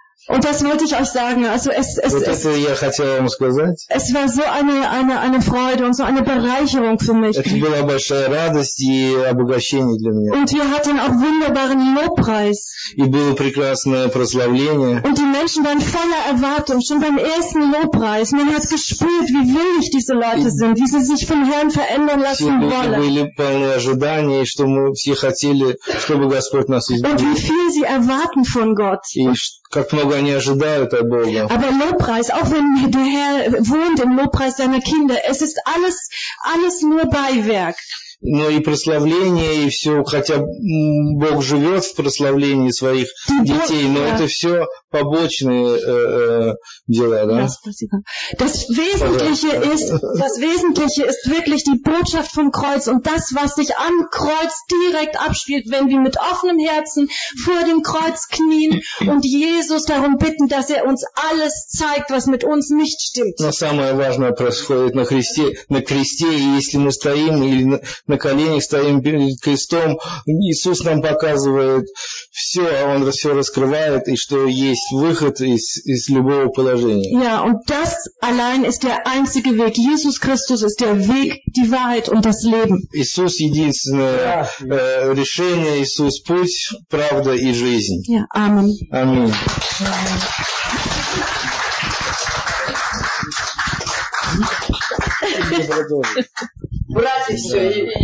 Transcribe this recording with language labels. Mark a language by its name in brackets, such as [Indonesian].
[German] Und das wollte ich euch sagen. Also es war so eine Freude und so eine Bereicherung für mich. [Russian] Это была большая радость и обогащение для меня. [German] Und wir hatten auch wunderbaren Lobpreis. [Russian] И было прекрасное прославление. [German] Und die Menschen waren voller Erwartung schon beim ersten Lobpreis. Man hat gespürt, wie willig diese Leute sind, wie sie sich vom Herrn verändern lassen wollen. [Russian] Все были полны ожидания, что мы все хотели, чтобы Господь нас изменил. [German] Und wie viel sie erwarten von Gott. [Russian] Как много они ожидают от Бога. [German] Aber Lobpreis, auch wenn der Herr wohnt im Lobpreis seiner Kinder, es ist alles nur Beiwerk. [Russian] Но и прославление, и все, хотя Бог живет в прославлении своих детей, но это все побочные дела, да? [German] Das Wesentliche ist wirklich die Botschaft vom Kreuz und das, was sich am Kreuz direkt abspielt, wenn wir mit offenem Herzen vor dem Kreuz knien und Jesus darum bitten, dass er uns alles zeigt, was mit uns nicht stimmt. [Russian] Но самое важное происходит на кресте, и если мы стоим или на коленях стоим перед крестом, Иисус нам показывает все, а Он все раскрывает, и что есть выход из любого положения. [German] Ja, und das allein ist der einzige Weg. Jesus Christus ist der Weg, die Wahrheit und das Leben. [Russian] Иисус единственное решение, Иисус путь, правда и жизнь. [German] Ja, Amen. Amen. [Russian] Братья все,